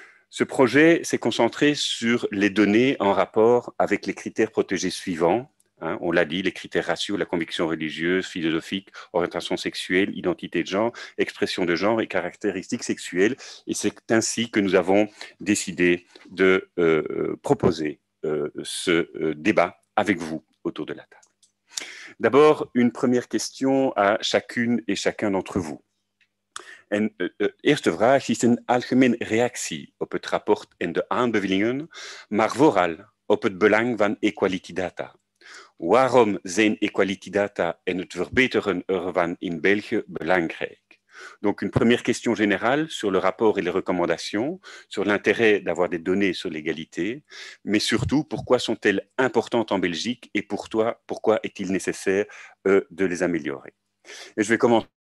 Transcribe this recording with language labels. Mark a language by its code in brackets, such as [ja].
[fr] Ce projet s'est concentré sur les données en rapport avec les critères protégés suivants, hein, on l'a dit, les critères raciaux, la conviction religieuse, philosophique, orientation sexuelle, identité de genre, expression de genre et caractéristiques sexuelles, et c'est ainsi que nous avons décidé de proposer ce débat avec vous autour de la table. D'abord, une première question à chacune et chacun d'entre vous. [nl] Eerste vraag is een algemene reactie op het rapport en de aanbevelingen, maar vooral op het belang van equality data. Waarom zijn equality data en het verbeteren ervan in België belangrijk? [fr] Donc une première question générale sur le rapport et les recommandations, sur l'intérêt d'avoir des données sur l'égalité, mais surtout pourquoi sont-elles importantes en Belgique et pour toi, pourquoi est-il nécessaire de les améliorer? Et je vais commencer.